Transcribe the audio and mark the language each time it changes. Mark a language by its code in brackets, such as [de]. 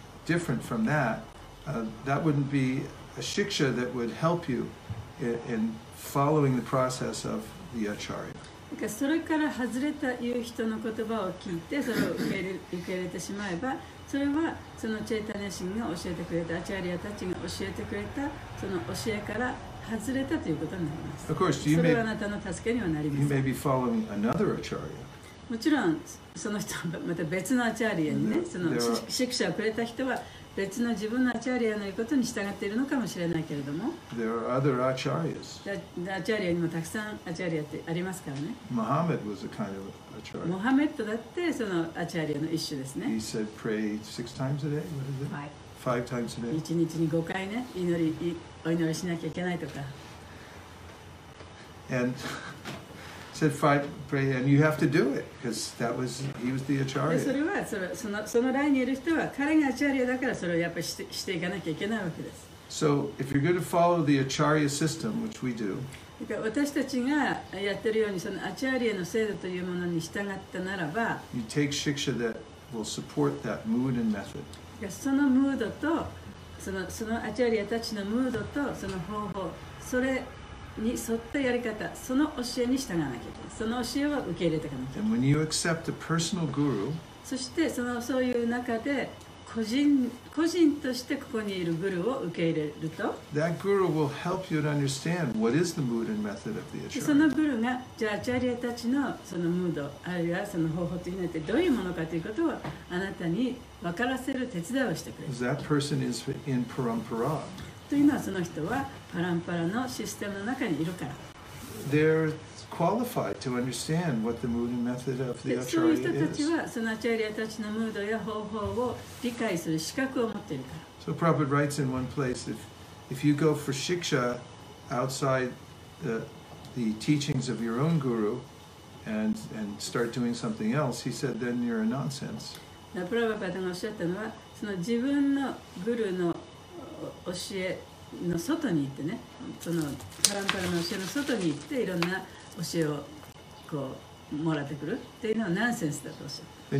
[en] different from that, that wouldn't be a shiksha that would help you in following the process of the acharya. [ja] だからそれから外れたいう人の言葉を聞いてそれを受け入れてしまえばそれはそのチェイタニア神が教えてくれたアチャリアたちが教えてくれたその教えから外れたということになります。 [en] of course, you [ja] それはあなたの助けにはなりません。 [en] you may be following another acharya. [ja] もちろんその人はまた別のアチャリアにね、その宿舎をくれた人は別の自分のアチャリアの言うことに従っているのかもしれないけれども [en] There are other acharyas. [ja] アチャリアにもたくさんアチャリアってありますからね。 [en] モハメッド was a kind of acharya. [ja] モハメッドだってそのアチャリアの一種ですね。 [en] He said pray six times a day. What is it? Five times a day. [ja] 一日に5回ね、祈り、お祈りしなきゃいけないとか。 [en] And said five pray and you have to do it because that was he was the acharya. [ja] それはそのラインにいる人は彼がアチャリアだからそれをやっぱりしていかなきゃいけないわけです。 [en] So if you're going to follow the acharya system, which we do, [ja] 私たちがやってるようにそのアチャリアの制度というものに従ったならば、 [en] you take shiksha that will support that mood and method. [ja] そのムードとそのアチャリアたちのムードとその方法、それに沿ったやり方、その教えに従わなきゃ、その教えを受け入れていかなきゃ。 [en] And when you accept a personal guru, [ja] そしてそういう中で個人としてここにいるグルを受け入れると、 [en] that guru will help you to understand what is the mood and method of the acharya. [ja] そのグルがじゃあアチャリアたちのそのムードあるいはその方法というのはどういうものかということをあなたに分からせる手伝いをしてくれる。 [en] That person is in parampara. [ja] というのはその人はパランパラのシステムの中にいるから。 [en] They're qualified to understand what the mood and method of the acharya is. [ja] そういう人たちはそのアチャリアたちのムードや方法を理解する資格を持っているから。 [en] So Prabhupada writes in one place, if you go for shiksha outside the teachings of your own guru and start doing something else, he said, then you're a nonsense. [ja] プラバパタがおっしゃったのは、その自分のグルの教えの外に行ってね、そのパランパラの教えの外に行っていろんな教えをこうもらってくるっていうのはナンセンスだとおっしゃる。